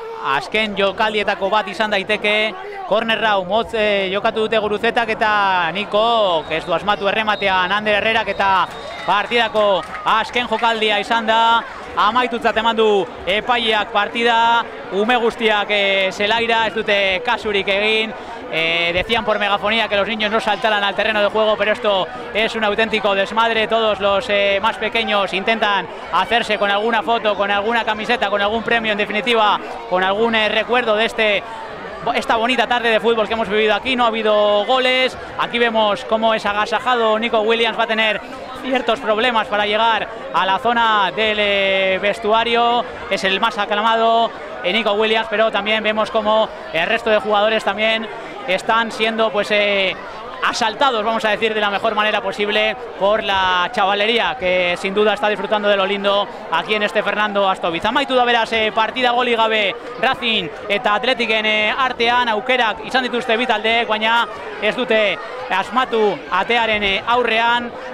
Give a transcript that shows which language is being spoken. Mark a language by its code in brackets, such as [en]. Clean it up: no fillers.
[eu] Azken jokaldietako bat izan daiteke. Korner hau motz jokatu dute Guruzetak eta Nico, ez du asmatu errematean Ander Herrerak eta partidako azken jokaldia izan da. Amaitutzat eman du epaileak partida, ume guztiak zelaira, ez dute kasurik egin. [es] Decían por megafonía que los niños no saltaran al terreno de juego, pero esto es un auténtico desmadre. Todos los más pequeños intentan hacerse con alguna foto, con alguna camiseta, con algún premio, en definitiva, con algún recuerdo de esta bonita tarde de fútbol que hemos vivido aquí. No ha habido goles. Aquí vemos cómo es agasajado Nico Williams. Va a tener ciertos problemas para llegar a la zona del vestuario. Es el más aclamado Nico Williams, pero también vemos cómo el resto de jugadores también están siendo asaltados, vamos a decir, de la mejor manera posible por la chavalería, que sin duda está disfrutando de lo lindo aquí en este Fernando Astoviz. [eu] Amaitu da beraz partida goli gabe Racing eta Athleticen artean, aukerak izan dituzte bitaldeek, baina ez dute asmatu atearen aurrean.